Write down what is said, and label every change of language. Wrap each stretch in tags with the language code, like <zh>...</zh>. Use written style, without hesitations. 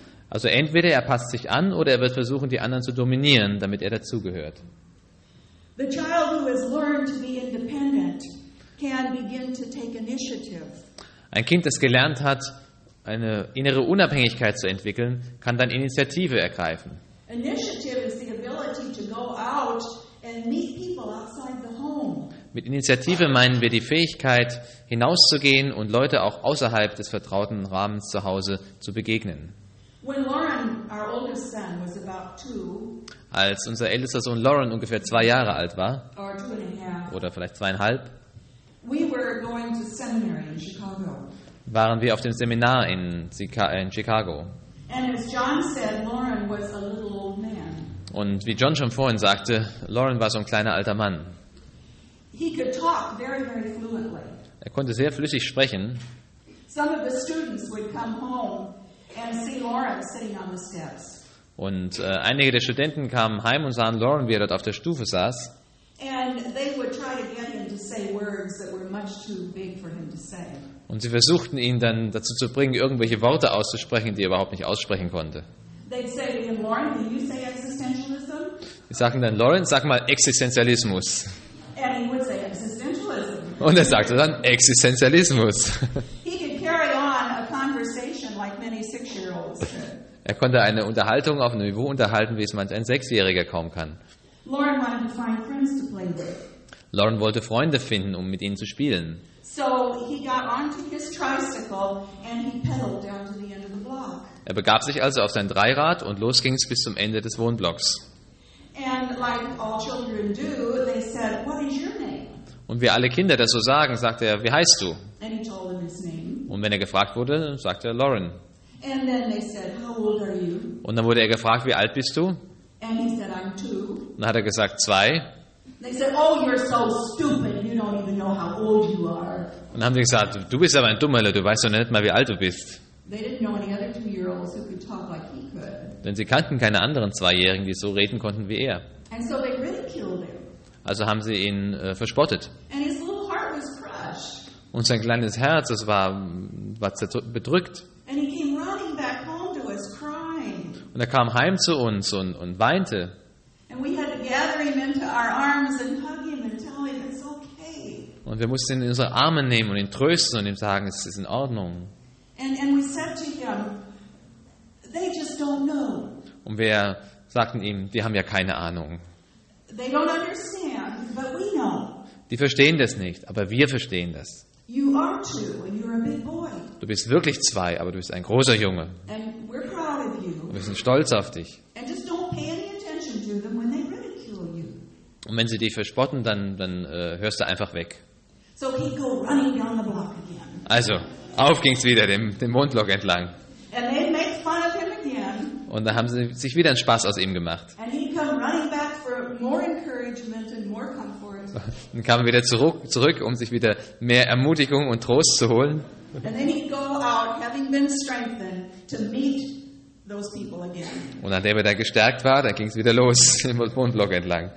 <de>Also entweder er passt sich an oder er wird versuchen, die anderen zu dominieren, damit er dazugehört.</de> <en>The child who has learned to be independent can begin to take initiative.</en> <de>Ein Kind, das gelernt hat, eine innere Unabhängigkeit zu entwickeln, kann dann Initiative ergreifen.</de> <en>Initiative is the ability to go out and meet people outside the home.</en> <de>Mit Initiative meinen wir die Fähigkeit, hinauszugehen und Leute auch außerhalb des vertrauten Rahmens zu Hause zu begegnen.</de> <en>When Lauren, our oldest son, was about two,</en> <de>als unser ältester Sohn Lauren ungefähr 2 Jahre alt war,</de> <en>or two and a half,</en> <de>oder vielleicht 2,5,</de> <en>we were going to seminary in Chicago.</en> <de>Waren wir auf dem Seminar in Chicago.</de> <en>And as John said, Lauren was a little old man.</en> <de>Und wie John schon vorhin sagte, Lauren war so ein kleiner alter Mann.</de> <en>He could talk very, very fluently.</en> <de>Er konnte sehr flüssig sprechen.</de> <en>Some of the students would come home and see Lauren sitting on the steps.</en> <de>Und einige der Studenten kamen heim und sahen Lauren, wie er dort auf der Stufe saß.</de> <en>And they would try to get him to say words that were much too big for him to say.</en> <de>Und sie versuchten ihn dann dazu zu bringen, irgendwelche Worte auszusprechen, die er überhaupt nicht aussprechen konnte.</de> <en>They'd say to him, Lauren, can you say existentialism?</en> <de>Sie sagten dann, Lauren, sag mal Existenzialismus.</de> <en>And he would say existentialism.</en> <de>Und er sagte dann Existenzialismus.</de> <en>He could carry on a conversation like many 6-year-olds could.</en> <de>Er konnte eine Unterhaltung auf einem Niveau unterhalten, wie es manch ein 6-Jähriger kaum kann.</de> <en>Lauren wanted to find friends to play with.</en> <de>Lauren wollte Freunde finden, um mit ihnen zu spielen.</de> <en>So he got onto his tricycle and he pedaled down to the end of the block.</en> <de>Er begab sich also auf sein Dreirad und los ging es bis zum Ende des Wohnblocks.</de> <en>And like all children do, they said, "What is your name?"</en> <de>Und wie alle Kinder das so sagen, sagte er, wie heißt du?</de> <en>And he told them his name.</en> <de>Und wenn er gefragt wurde, sagte er Lauren.</de> <en>And then they said, "How old are you?"</en> <de>Und dann wurde er gefragt, wie alt bist du?</de> <en>And he said, "I'm 2."</en> <de>Und dann hat er gesagt, 2.</de> <en>They said, "Oh, you're so stupid. You don't even know how old you are."</en> <de>Und dann haben sie gesagt, du bist aber ein Dummerle, du weißt doch nicht mal, wie alt du bist.</de> <en>They didn't know any other 2-year-olds who could talk like he could.</en> <de>Denn sie kannten keine anderen 2-Jährigen, die so reden konnten wie er.</de> <en>And so they ridiculed him.</en> <de>Also haben sie ihn verspottet.</de> <en>And his little heart was crushed.</en> <de>Und sein kleines Herz, das war bedrückt.</de> <en>And he came running back home to us crying.</en> <de>Und er kam heim zu uns und weinte.</de> <en>And we had to gather him into our arms and hug him and tell him it's okay.</en> <de>Und wir mussten ihn in unsere Arme nehmen und ihn trösten und ihm sagen, es ist in Ordnung.</de> <en>And we said to him, they just don't know.</en> <de>Und wir sagten ihm, die haben ja keine Ahnung.</de> <en>They don't understand, but we know.</en> <de>Die verstehen das nicht, aber wir verstehen das.</de> <en>You are 2 and you're a big boy.</en> <de>Du bist wirklich 2, aber du bist ein großer Junge.</de> <en>And we're proud of you.</en> <de>Und wir sind stolz auf dich.</de> <en>And just don't pay any attention to them when they ridicule you.</en> <de>Und wenn sie dich verspotten, dann hörst du einfach weg.</de> <en>So he'd go running down the block again.</en> <de>Also, auf ging's wieder dem Mondloch entlang.</de> <en>And they'd make fun of him again.</en> <de>Und da haben sie sich wieder einen Spaß aus ihm gemacht.</de> <en>And he'd come running back for more encouragement and more comfort.</en> <de>Dann kam er wieder zurück, um sich wieder mehr Ermutigung und Trost zu holen.</de> <en>And then he'd go out, having been strengthened, to meet those people again.</en> <de>Und nachdem er da gestärkt war, da ging es wieder los im Mondloch entlang.</de>